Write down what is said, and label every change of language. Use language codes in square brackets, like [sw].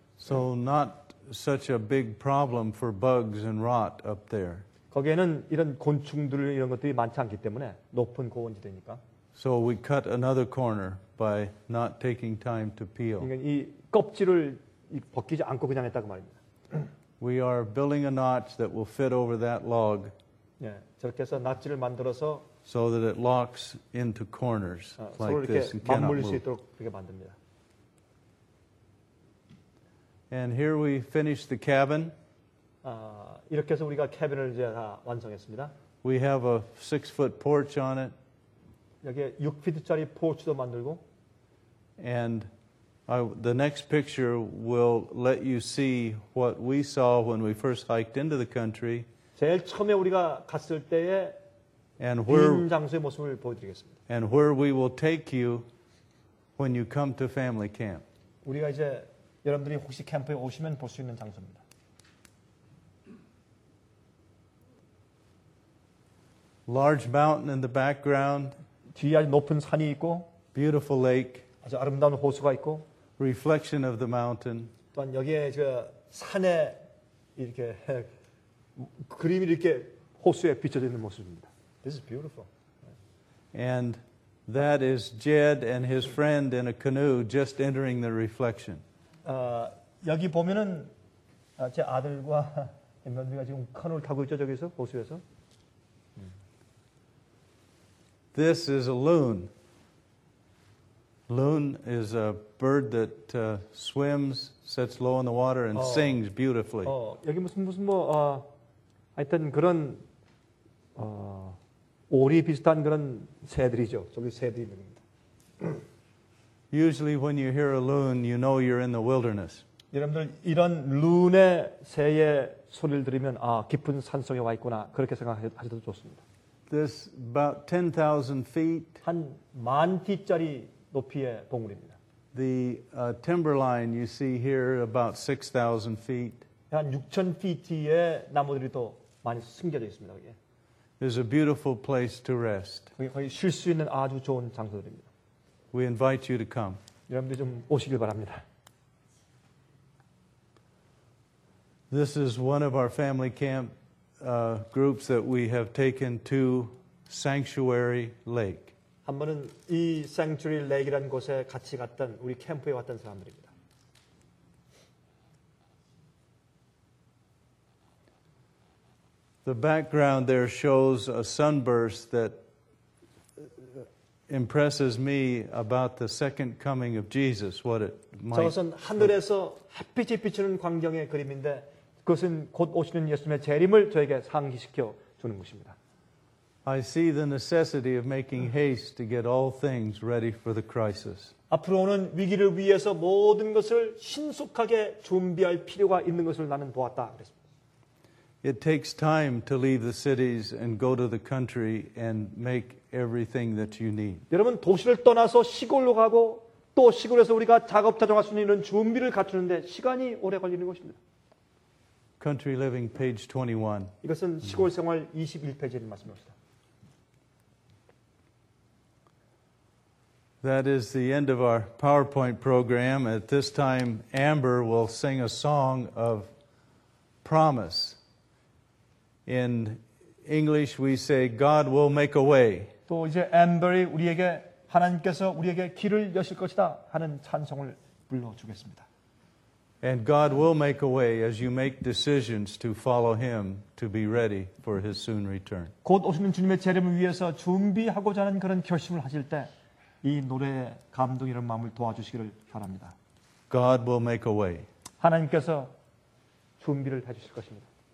[en] So not such a big problem for bugs and rot up there. [ko] 거기에는 이런 곤충들 이런 것들이 많지 않기 때문에 높은 고원지대니까. [en] So we cut another corner by not taking time to peel. [ko] 그러니까 이 껍질을 벗기지 않고 그냥 했다 그 말입니다. [en] We are building a notch that will fit over that log. [ko] 예, 저렇게 해서 낫지를 만들어서. [en] So that it locks into corners like this and cannot move. [ko] 서로 이렇게 맞물릴 수 있도록 그렇게 만듭니다. [en] And here we finished the cabin. [ko] 이렇게 해서 우리가 캐빈을 이제 다 완성했습니다. [en] We have a 6-foot porch on it. [ko] 여기 6피트짜리 포치도 만들고. [en] And the next picture will let you see what we saw when we first hiked into the country. [ko] 제일 처음에 우리가 갔을 때의 빈 장소의 모습을 보여드리겠습니다. [en] And where we will take you when you come to family camp. [ko] 우리가 이제 여러분들이 혹시 캠프에 오시면 볼 수 있는 장소입니다. [en] Large mountain in the background. [ko] 뒤에 아주 높은 산이 있고. [en] Beautiful lake. [ko] 아주 아름다운 호수가 있고. [en] Reflection of the mountain. [ko] 또한 여기에 저 산에 이렇게 그림이 이렇게 호수에 비쳐져 있는 모습입니다. [en] This is beautiful. And that is Jed and his friend in a canoe just entering the reflection. [ko] 여기 보면은 제 아들과 며느리가 지금 카누를 타고 있죠 저기서 호수에서. [en] This is a loon. Loon is a bird that swims, sets low in the water, and sings beautifully. [ko] 여기 무슨 뭐 하여튼 그런 오리 비슷한 그런 새들이죠. 저기 새들이 있는 겁니다. [en] Usually when you hear a loon, you know you're in the wilderness. [ko] 여러분들 이런 룬의 새의 소리를 들으면 아 깊은 산속에 와 있구나 그렇게 생각하셔도 좋습니다. [en] This about 10,000 feet. [ko] 한 만 피짜리 높이의 동굴입니다. [en] The timberline you see here about 6,000 feet. [ko] 한 6,000 피트의 나무들이 또 많이 숨겨져 있습니다. 여기. [en] It's a beautiful place to rest. [ko] 거기 쉴 수 있는 아주 좋은 장소들입니다. [en] We invite you to come. [ko] 여러분들 좀 오시길 바랍니다. [en] This is one of our family camp groups that we have taken to Sanctuary Lake. [ko] 한 번은 이 Sanctuary Lake이라는 곳에 같이 갔던 우리 캠프에 왔던 사람들입니다. [en] The background there shows a sunburst that impresses me about the second coming of Jesus, what it might. [ko] 저것은 하늘에서 햇빛이 비추는 광경의 그림인데 그것은 곧 오시는 예수님의 재림을 저에게 상기시켜 주는 것입니다. [en] I see the necessity of making haste to get all things ready for the crisis. [ko] 앞으로는 위기를 위해서 모든 것을 신속하게 준비할 필요가 있는 것을 나는 보았다. 그랬습니다. [en] It takes time to leave the cities and go to the country and make everything that you need. [ko] 여러분 도시를 떠나서 시골로 가고 또 시골에서 우리가 작업 타종할 수 있는 준비를 갖추는데 시간이 오래 걸리는 것입니다. [en] Country Living, page 21. [ko] 이것은 시골 생활 21페이지의 말씀입니다. [en] That is the end of our PowerPoint program. At this time, Amber will sing a song of promise. In English, we say, God will make a way. [ko] 또 이제 Amber이 우리에게 하나님께서 우리에게 길을 여실 것이다 하는 찬송을 불러주겠습니다. [en] And God will make a way as you make decisions to follow Him to be ready for His soon return. [ko] 곧 오시는 주님의 재림을 위해서 준비하고자 하는 그런 결심을 하실 때 이 노래의 감동이라는 마음을 도와주시기를 바랍니다. [en] God will make a way. [ko] 하나님께서 준비를 해주실 것입니다.